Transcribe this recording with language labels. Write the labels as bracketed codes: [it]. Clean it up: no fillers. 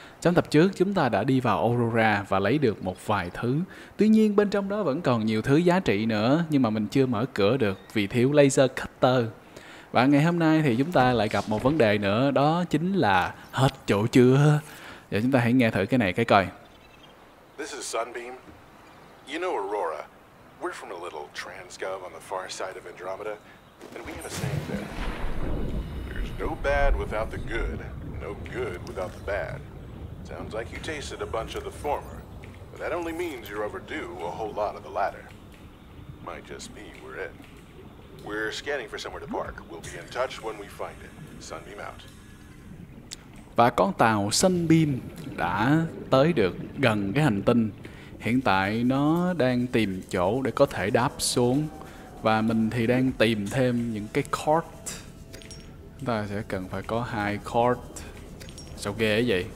[vi] Trong tập trước chúng ta đã đi vào Aurora và lấy được một vài thứ. Tuy nhiên bên trong đó vẫn còn nhiều thứ giá trị nữa nhưng mà mình chưa mở cửa được vì thiếu laser cutter. Và ngày hôm nay thì chúng ta lại gặp một vấn đề nữa, đó chính là hết chỗ chưa. Giờ chúng ta hãy nghe thử cái này cái coi. [en] This is Sunbeam. You know Aurora. We're from a little transgov on the far side of Andromeda. And we have a saying there. There's no bad without the good, no good without the bad. Sounds like you tasted a bunch of the former, but that only means you're overdue a whole lot of the latter. Might just be we're in. We're scanning for somewhere to park. We'll be in touch when we find it. Sunbeam out. [vi] Và con tàu Sunbeam đã tới được gần cái hành tinh. Hiện tại nó đang tìm chỗ để có thể đáp xuống. Và mình thì đang tìm thêm những cái cord. Chúng ta sẽ cần phải có hai cord. Sao ghê vậy?